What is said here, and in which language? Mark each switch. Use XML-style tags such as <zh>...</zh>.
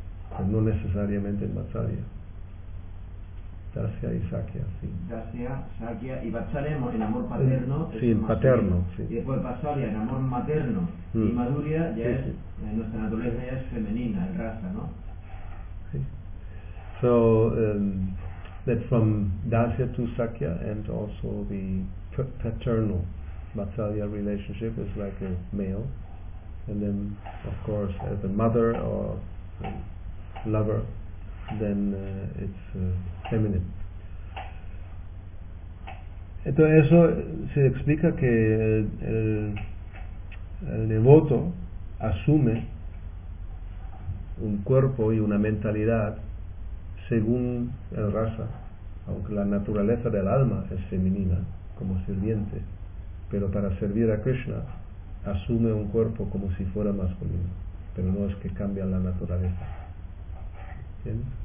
<es>Pero no necesariamente en Vatsalya. Dacia y Sakya, sí. Dacia, Sakya y Vatsalya en amor paterno. Sí, en paterno, sí. Y después Vatsalya en amor materno y Madhurya ya es, nuestra naturaleza ya es femenina, es raza, ¿no?</es> <en>So that from Dasya to Sakya and also the paternal Vatsalya relationship is like a male, and then of course as a mother or lover, then it's feminine.</en> <es>Entonces eso se explica que el devoto asume un cuerpo y una mentalidad según el raza, aunque la naturaleza del alma es femenina, como sirviente, pero para servir a Krishna asume un cuerpo como si fuera masculino, pero no es que cambia la naturaleza. ¿Bien?</es>